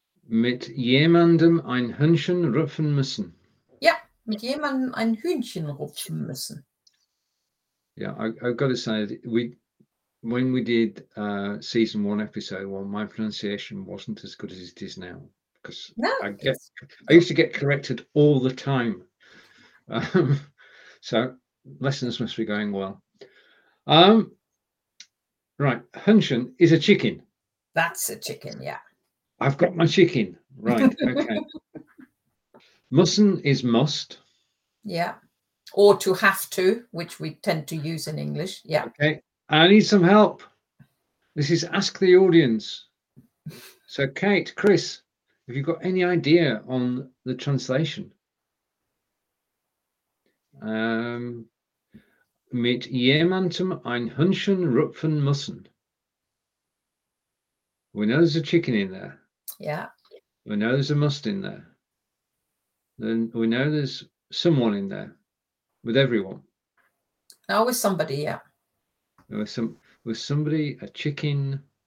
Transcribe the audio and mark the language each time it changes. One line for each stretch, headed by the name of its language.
German: Mit jemandem ein Hühnchen rupfen müssen.
English: Yeah.
German: Mit jemandem ein Hühnchen rupfen müssen.
English: Yeah. I've got to say, when we did season one, episode one, my pronunciation wasn't as good as it is now. Because I used to get corrected all the time. So lessons must be going well. Right. Hühnchen is a chicken. That's a chicken, yeah. I've got my chicken. Right, okay. Mussen is must. Yeah. Or to have to, which we tend to use in English. Yeah. Okay. I need some help. This is Ask the Audience. So, Kate, Chris, have you got any idea on the translation?
German: Mit jemandem ein Hühnchen rupfen müssen.
English: We know there's a chicken in there. Yeah. We know there's a must in there. Then we know there's someone in there with everyone. Now with somebody, yeah. With somebody, a chicken.